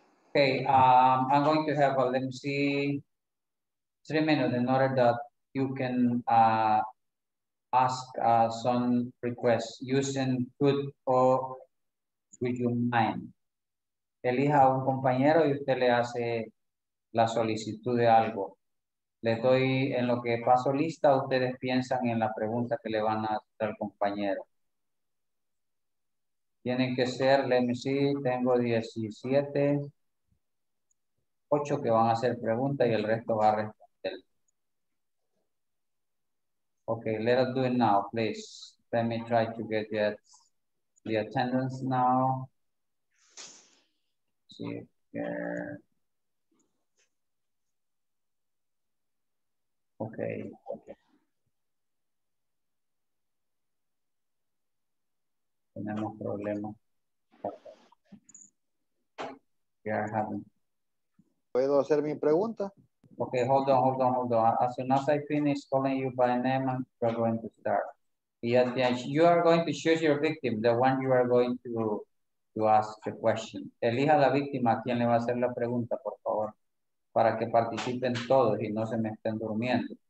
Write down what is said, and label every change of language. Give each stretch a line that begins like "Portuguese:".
English: Okay, I'm going to have a, let me see, 3 minutes in order that you can ask some requests using could or would you mind.
Spanish: Elija un compañero y usted le hace la solicitud de algo. Les doy en lo que paso lista, ustedes piensan en la pregunta que le van a hacer al compañero. Tienen que ser,
English: let me see,
Spanish: tengo 17, 8 que van a hacer preguntas y el resto va a responder.
English: Okay, let us do it now, please. Let me try to get the attendance now. See if there. Okay.
Spanish: Tenemos problemas.
English: Yeah, having.
Spanish: ¿Puedo hacer mi pregunta?
English: Okay, hold on, hold on, hold on. As soon as I finish calling you by name, we're going to start. Yes, yes. You are going to choose your victim, the one you are going to ask the question.
Spanish: Elija la víctima a quien le va a hacer la pregunta, por favor, para que participen todos y no se me estén durmiendo.